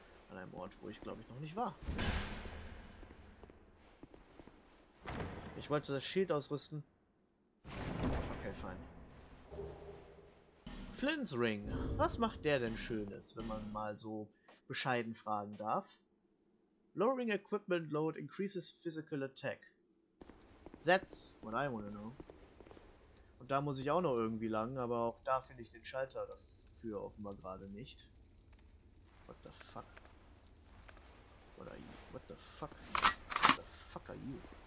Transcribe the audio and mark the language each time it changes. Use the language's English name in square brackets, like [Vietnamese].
[German] An einem Ort, wo ich glaube ich noch nicht war. Ich wollte das Schild ausrüsten. Okay, fein. Flint's Ring. Was macht der denn Schönes, wenn man mal so bescheiden fragen darf? [English] Lowering Equipment Load increases physical attack. That's what I wanna know. [German] Und da muss ich auch noch irgendwie lang, aber auch da finde ich den Schalter dafür offenbar gerade nicht. [English] What the fuck? What are you? What the fuck? What the fuck are you?